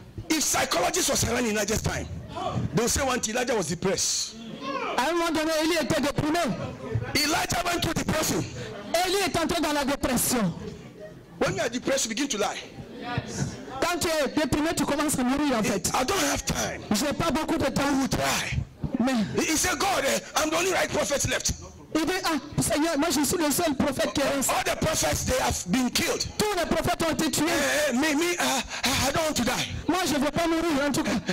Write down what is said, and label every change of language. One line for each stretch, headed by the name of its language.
English: If psychologists was around in Elijah's time, they would say one thing, Elijah was depressed. I don't want
French: Elie était déprimé.
English: Elijah went through depression.
French: Elie est entré dans la dépression.
English: When you are depressed, you begin to lie. Yes.
French: Quand tu es déprimé, tu commences à mourir en fait.
English: I don't have time.
French: Je n'ai pas beaucoup de temps.
English: I will try.
French: Mais
English: he said, God, I'm the only right prophet left.
French: Il dit, ah, Seigneur, moi je suis le seul prophète qui reste.
English: All the prophets, they have been killed.
French: Tous les prophètes ont été tués.
English: I don't want to die.
French: Moi je ne veux pas mourir en tout cas.